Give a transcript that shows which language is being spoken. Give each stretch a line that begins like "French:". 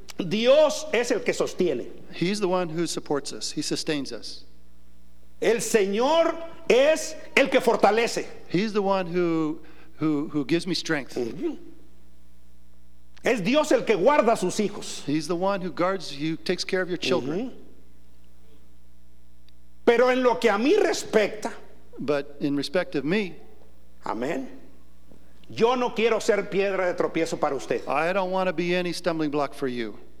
Spanish: Dios es el que sostiene.
English: He's the one who supports us. He sustains us.
Spanish: El Señor es el que fortalece.
English: He's the one who gives me strength.
Spanish: Es Dios el que guarda a sus hijos.
English: He's the one who guards you, takes care of your children.
Spanish: Pero en lo que a mí respecta.
English: But in respect of me. Amén.
Spanish: Yo no quiero ser piedra de tropiezo para usted.
English: I don't want to be any stumbling block for you.